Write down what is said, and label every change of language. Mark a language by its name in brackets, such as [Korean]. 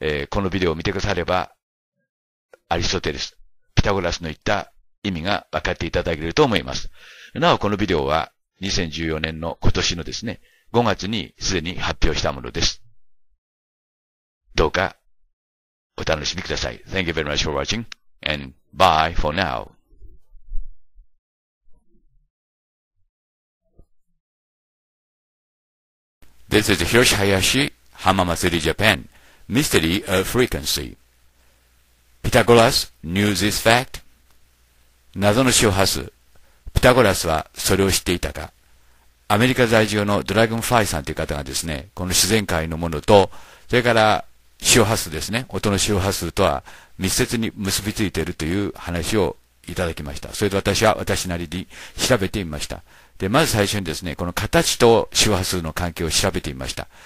[Japanese] このビデオを見てくだされば、アリストテレス、ピタゴラスの言った意味が分かっていただけると思います。なお、このビデオは2014年の今年のですね、5月にすでに発表したものです。どうかお楽しみください。 [English] Thank you very much for watching and bye for now. This is Hiroshi Hayashi, Hamamatsuri Japan, Mystery of Frequency. Pythagoras knows this fact. [Japanese] 謎の周波数。ピタゴラスはそれを知っていたか。アメリカ在住のドラゴンファイさんという方がですね、この自然界のものと、それから周波数ですね、音の周波数とは密接に結びついているという話をいただきました。それで私は私なりに調べてみました。で、まず最初にですね、この形と周波数の関係を調べてみました。